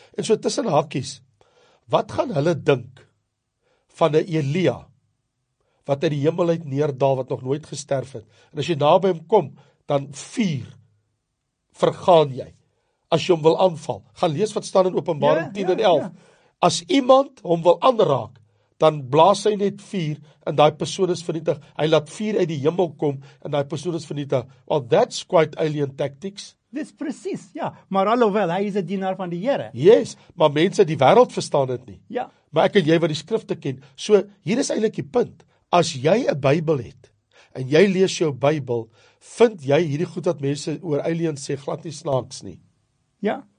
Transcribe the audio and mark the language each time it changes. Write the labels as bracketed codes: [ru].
[af] En so tussen hakies, wat gaan hulle dink van 'n Elia wat uit die hemel uit neerdaal wat nog nooit gesterf het? En as jy naby hom kom, dan vuur vergaan jy. As jy hom wil aanval, gaan lees wat staan in Openbaring 10 en 11. As iemand hom wil aanraak, dan blaas hy net vuur en daai persoon is vernietig. Hy laat vuur uit die hemel kom en daai persoon is vernietig. [en] Well, that's quite alien tactics. [af] Dis presies, ja. Maar alhoewel, hy is 'n dienaar van die Here. Yes, maar mense die wêreld verstaan dit nie. Ja. Maar ek en jy wat die skrifte ken. So, hier is eintlik die punt. As jy 'n Bybel het en jy lees jou Bybel, vind jy hierdie goed wat mense oor aliens sê glad nie snaaks nie. Ja.